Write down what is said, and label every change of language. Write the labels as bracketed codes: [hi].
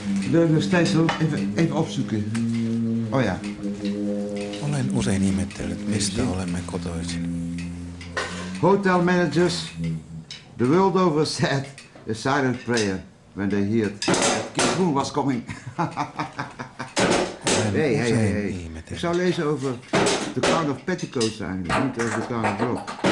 [nl] Wil ik nog steeds even opzoeken? Oh ja. [fi] Olen usein ihmetellyt, mistä olemme kotoisin. [en] Hotel managers, the world over said a silent prayer when they heard that Kim Jong-un was coming. Hey. [nl] Ik zou lezen over The Crown of Petticoats eigenlijk, niet over The Crown of Rock.